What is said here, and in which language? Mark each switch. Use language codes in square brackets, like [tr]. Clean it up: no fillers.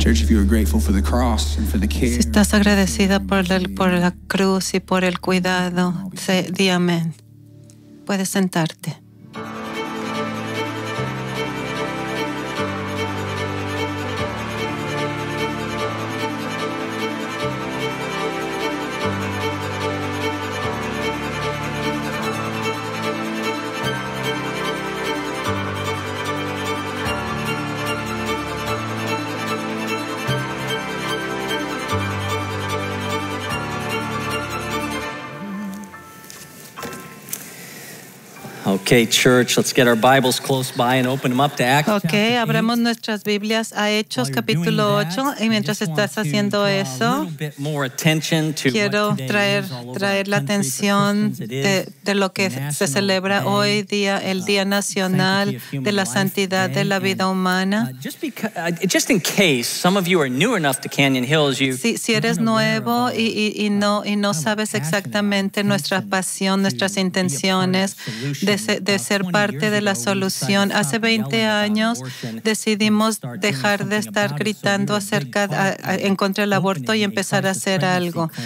[en] you're grateful for the cross and for the care. [es] Si estás agradecida por la cruz y por el cuidado, di amén. Puedes sentarte. [en] Okay, church, let's get our Bibles close by and open them up to Acts. [es] Okay, abramos nuestras Biblias a Hechos capítulo 8, y mientras estás haciendo eso, quiero traer la atención de lo que se celebra hoy día, el Día Nacional de la Santidad de la Vida Humana. [en] Just in case some of you are new enough to Canyon Hills, [es] si eres nuevo y no sabes exactamente nuestra pasión, nuestras intenciones de ser parte de la solución. Hace 20 años decidimos dejar de estar gritando acerca en contra del aborto y empezar a hacer algo.